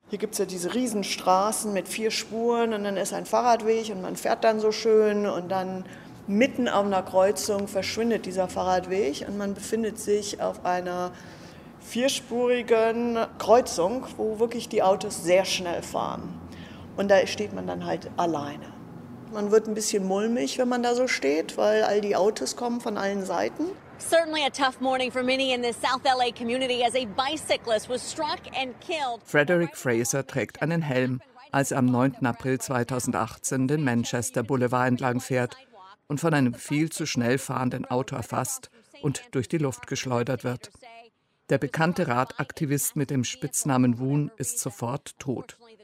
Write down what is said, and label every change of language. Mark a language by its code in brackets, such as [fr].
[de] Hier gibt es ja diese Riesenstraßen mit 4 Spuren und dann ist ein Fahrradweg und man fährt dann so schön und dann mitten auf einer Kreuzung verschwindet dieser Fahrradweg und man befindet sich auf einer 4-spurigen Kreuzung, wo wirklich die Autos sehr schnell fahren. Und da steht man dann halt alleine. Man wird ein bisschen mulmig, wenn man da so steht, weil all die Autos kommen von allen Seiten. [en] Certainly a tough morning for many in this South LA community as a bicyclist was struck and killed. [de] Frederick Fraser trägt einen Helm, als er am 9. April 2018 den Manchester Boulevard entlang fährt und von einem viel zu schnell fahrenden Auto erfasst und durch die Luft geschleudert wird. Der bekannte Radaktivist mit dem Spitznamen Woon ist sofort tot.